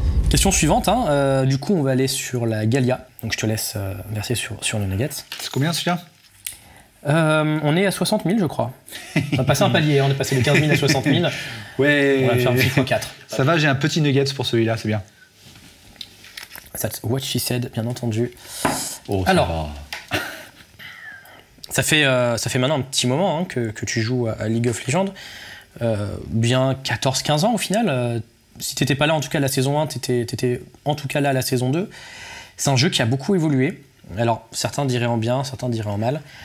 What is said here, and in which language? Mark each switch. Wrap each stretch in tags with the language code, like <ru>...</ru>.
<fr>Question suivante, hein. Du coup on va aller sur la Galia, donc je te laisse verser sur le Nugget. C'est combien celui-là? On est à 60 000 je crois. On a passé un palier, on est passé de 15 000 à 60 000. Ouais. On va faire un petit fois 4. Ça va, j'ai un petit Nugget pour celui-là, c'est bien.</fr> <en>That's what she said,</en> <fr>bien entendu. Oh, ça alors, va. Ça fait maintenant un petit moment hein, que tu joues à League of Legends. Bien 14-15 ans au final. Si tu n'étais pas là en tout cas à la saison 1, tu étais en tout cas là à la saison 2. C'est un jeu qui a beaucoup évolué. Alors, certains diraient en bien, certains diraient en mal.</fr>